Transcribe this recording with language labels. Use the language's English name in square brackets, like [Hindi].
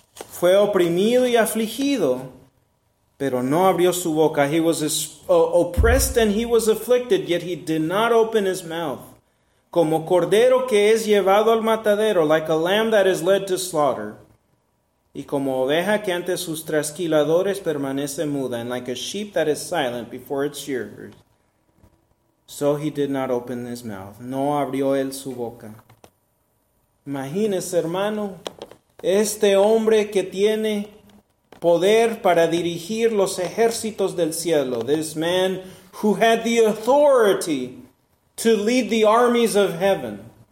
[Spanish] Fue oprimido y afligido, pero no abrió su boca. [English] He was oppressed and he was afflicted, yet he did not open his mouth. [Spanish] Como cordero que es llevado al matadero, [English] like a lamb that is led to slaughter. [Spanish] Y como oveja que ante sus trasquiladores permanece muda, [English] and like a sheep that is silent before its shearers, so he did not open his mouth. [Spanish] No abrió él su boca. Imagínese, hermano, este hombre que tiene poder para dirigir los ejércitos del cielo. [English] This man who had the authority to lead the armies of heaven.